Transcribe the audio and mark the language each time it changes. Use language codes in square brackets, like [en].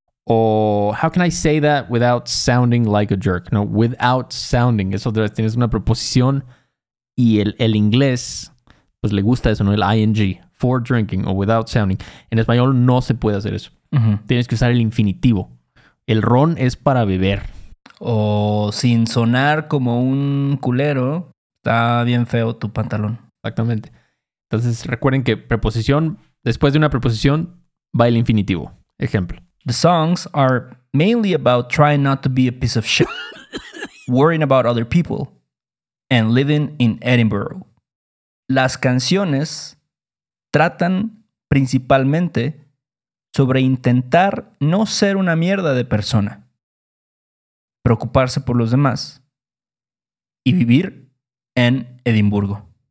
[en] O, how can I say that without sounding like a jerk? No, without sounding. [es] Es otra vez. Tienes una preposición y el inglés, pues le gusta eso, ¿no? El ing. [en] For drinking [es] o [en] without sounding. [es] En español no se puede hacer eso. Uh-huh. Tienes que usar el infinitivo. El ron es para beber. O sin sonar como un culero, está bien feo tu pantalón. Exactamente. Entonces, recuerden que preposición, después de una preposición, va el infinitivo. Ejemplo. [en] The songs are mainly about trying not to be a piece of shit, worrying about other people, and living in Edinburgh. [es] Las canciones tratan principalmente sobre intentar no ser una mierda de persona, preocuparse por los demás y vivir en Edimburgo.